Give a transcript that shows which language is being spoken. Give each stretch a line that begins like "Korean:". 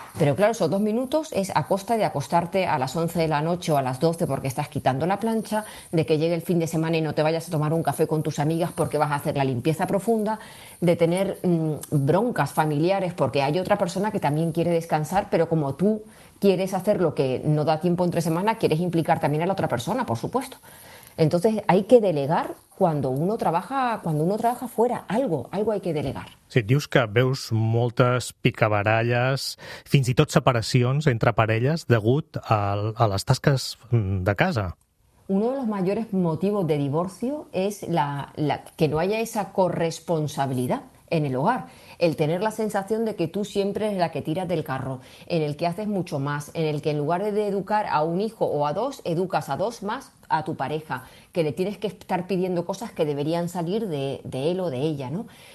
Spanish: Pero claro, esos 2 minutos es a costa de acostarte a las 11 de la noche o a las 12 porque estás quitando la plancha, de que llegue el fin de semana y no te vayas a tomar un café con tus amigas porque vas a hacer la limpieza profunda, de tener broncas familiares porque hay otra persona que también quiere descansar, pero como tú quieres hacer lo que no da tiempo entre semana, quieres implicar también a la otra persona, por supuesto. Entonces hay que delegar cuando uno trabaja fuera, algo hay que delegar.
Catalan: Sí, dius que veus moltes picabaralles, fins i tot separacions entre parelles degut a les tasques de casa.
Spanish: Uno de los mayores motivos de divorcio es la que no haya esa corresponsabilidad en el hogar, el tener la sensación de que tú siempre eres la que tiras del carro, en el que haces mucho más, en el que en lugar de educar a un hijo o a dos, educas a dos más a tu pareja, que le tienes que estar pidiendo cosas que deberían salir de él o de ella, ¿no?